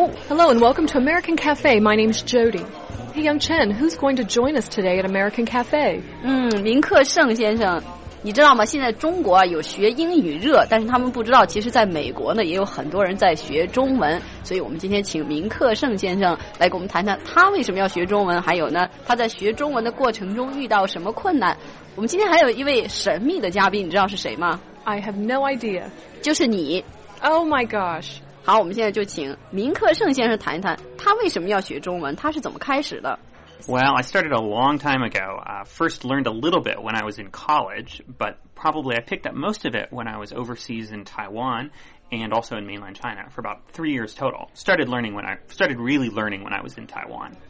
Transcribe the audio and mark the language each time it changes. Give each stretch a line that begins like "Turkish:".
English: Hello and welcome to American Cafe. My name's Jody. Hey, Yang Chen, who's going to join us today at American Cafe?
Chinese: 林克盛先生，你知道吗？现在中国啊有学英语热，但是他们不知道，其实在美国呢也有很多人在学中文。所以我们今天请明克盛先生来给我们谈谈他为什么要学中文，还有呢他在学中文的过程中遇到什么困难。我们今天还有一位神秘的嘉宾，你知道是谁吗？
English: I have no idea.
Chinese: 就是你。
English: Oh my gosh.
Chinese: 好，我们现在就请明克盛先生谈一谈他为什么要学中文，他是怎么开始的。
English: Well, I started a long time ago. First learned a little bit when I was in college, but probably I picked up most of it when I was overseas in Taiwan and also in mainland China for about 3 years total. Started really learning when I was in Taiwan.